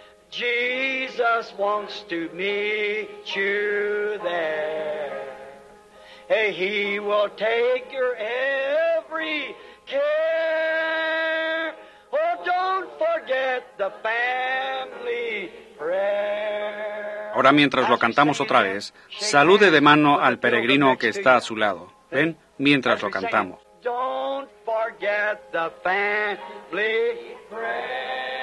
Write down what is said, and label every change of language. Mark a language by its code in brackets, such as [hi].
[en] Jesus wants to meet you there. Hey, he will take your every care. Oh, don't forget the family prayer. [es] Ahora, mientras lo cantamos otra vez, salude de mano al peregrino que está a su lado. Ven, mientras lo cantamos. [en] Don't forget the family prayer.